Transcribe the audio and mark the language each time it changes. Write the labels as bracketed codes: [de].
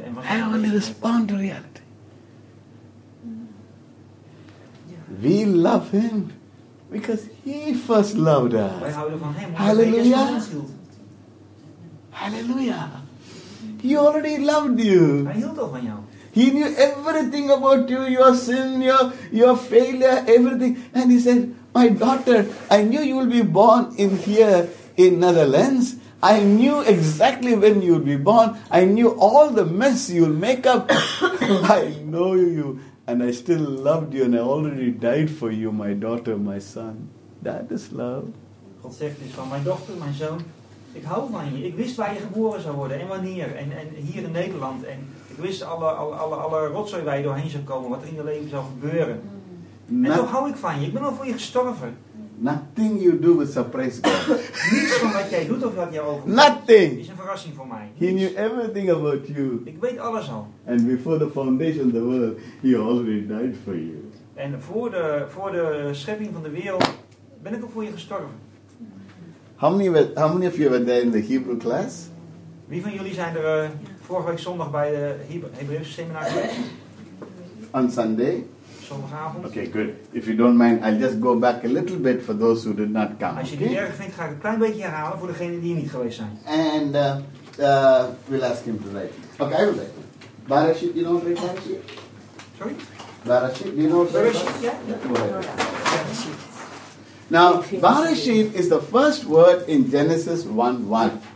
[nl] En [en] I only respond to reality. We love him because he first loved us. [nl] Wij houden van hem. Hallelujah. [en] Hallelujah. He already loved you. [nl] Hij hield al van jou. [en] He knew everything about you, your sin, your failure, everything. And he said, my daughter, I knew you will be born in here in Netherlands. I knew exactly when you would be born. I knew all the mess you will make up. I know you. And I still loved you and I already died for you, my daughter, my son. That is love. [nl] God zegt dus van mijn dochter, mijn zoon. Ik hou van je. Ik wist waar je geboren zou worden. En wanneer. En hier in Nederland. En ik wist alle rotzooi waar je doorheen zou komen. Wat er in je leven zou gebeuren. En toch hou ik van je. Ik ben al voor je gestorven. [en] Nothing you do will surprise God. [nl] Niets van wat jij doet of wat jij overkomt. [en] Nothing. [nl] Is een verrassing voor mij. [en] He knew everything about you. [nl] Ik weet alles al. [en] And before the foundation of the world, he already died for you. [nl] En voor de schepping van de wereld ben ik al voor je gestorven. [en] How many of you were there in the Hebrew class? [nl] Wie van jullie zijn er vorige week zondag bij de Hebreeuwse seminar geweest? [en] On Sunday? [nl] Zondagavond. [en] Okay, good. If you don't mind, I'll just go back a little bit for those who did not come. [nl] Als je het erg vindt, ga ik een klein beetje herhalen voor degenen die hier niet geweest zijn. [en] And we'll ask him to write. Okay, I will write. Barashit, you know what Barashit? Sorry? Barashit, do you know what Barashit? Barashit, yeah. Barashit. Now, Barashit is the first word in Genesis 1:1.